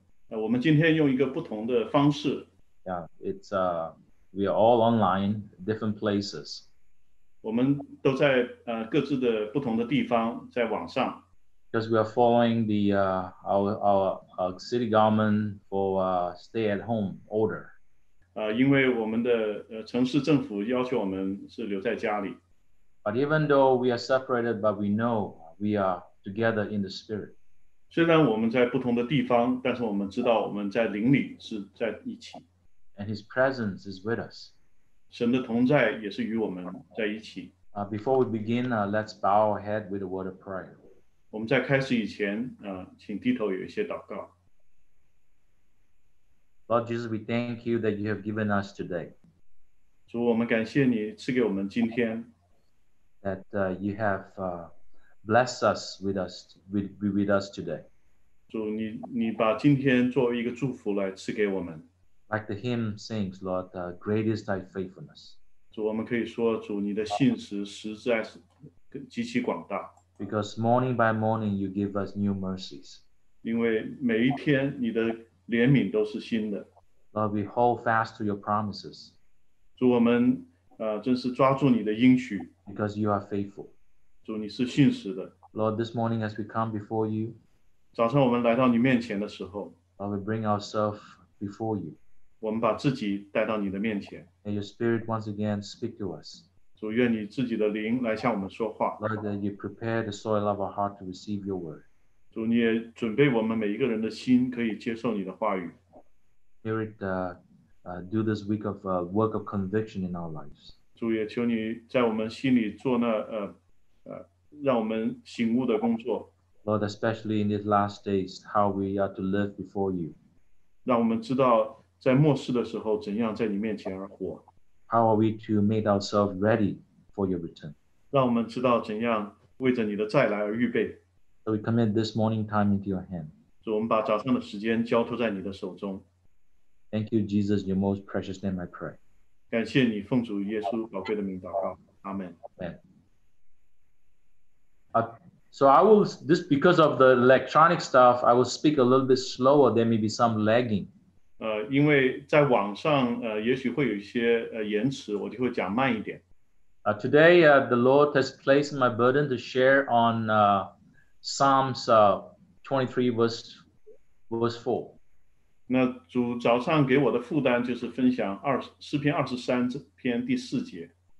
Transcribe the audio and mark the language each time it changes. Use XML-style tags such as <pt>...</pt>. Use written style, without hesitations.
<zh>我们今天用一个不同的方式。</zh> <en>Yeah, it's, we are all online, different places.</en> <zh>我们都在各自的不同的地方，在网上。</zh> <en>Because we are following the our city government for stay at home order.</en> <zh>因为我们的城市政府要求我们是留在家里。</zh> <en>But even though we are separated, but we know we are together in the spirit.</en> <zh>虽然我们在不同的地方，但是我们知道我们在灵里是在一起。</zh> <en>And His presence is with us.</en> <zh>神的同在也是与我们在一起。</zh> <en>Before we begin, let's bow our head with a word of prayer.</en> <zh>我们在开始以前，请低头有一些祷告。</zh> <en>Lord Jesus, we thank you that you have given us today.</en> <zh>主，我们感谢你赐给我们今天。</zh> <en>That you have blessed us with us today.</en> <zh>主，你把今天作为一个祝福来赐给我们。</zh> <en>Like the hymn sings, Lord, great is thy faithfulness.</en> <zh>主，我们可以说，主，你的信实实在是极其广大。</zh> <en>Because morning by morning, you give us new mercies.</en> <zh>因为每一天你的怜悯都是新的。</zh> <en>Lord, we hold fast to your promises.</en> <zh>主，我们真是抓住你的应许。</zh> <en>Because you are faithful.</en> <zh>主，你是信实的。</zh> <en>Lord, this morning as we come before you,</en> <zh>早上我们来到你面前的时候，</zh> <en>Lord, we bring ourselves before you.</en> <zh>我们把自己带到你的面前。</zh> <en>May your spirit once again speak to us.</en> <zh>主，愿你自己的灵来向我们说话。</zh> <en>Lord, that you prepare the soil of our heart to receive your word.</en> <zh>主，你也准备我们每一个人的心可以接受你的话语。</zh> <en>Spirit, do this week of work of conviction in our lives.</en> <zh>主，也求你在我们心里做那让我们醒悟的工作。</zh> <en>Lord, especially in these last days, how we are to live before you.</en> <zh>让我们知道在末世的时候怎样在你面前而活。</zh> <en>How are we to make ourselves ready for your return?</en> <zh>让我们知道怎样为着你的再来而预备。</zh> <en>So we commit this morning time into your hand.</en> <zh>主，我们把早上的时间交托在你的手中。</zh> <en>Thank you, Jesus, your most precious name, I pray.</en> <zh>感谢你，奉主耶稣宝贵的名祷告。</zh> <en>Amen. Amen. So I will, this because of the electronic stuff, I will speak a little bit slower. There may be some lagging.</en> <zh>因为在网上也许会有一些延迟，我就会讲慢一点。</zh> <en>Today, the Lord has placed my burden to share on Psalms 23:4.</en> <zh>那主早上给我的负担就是分享诗篇23:第四节。</zh>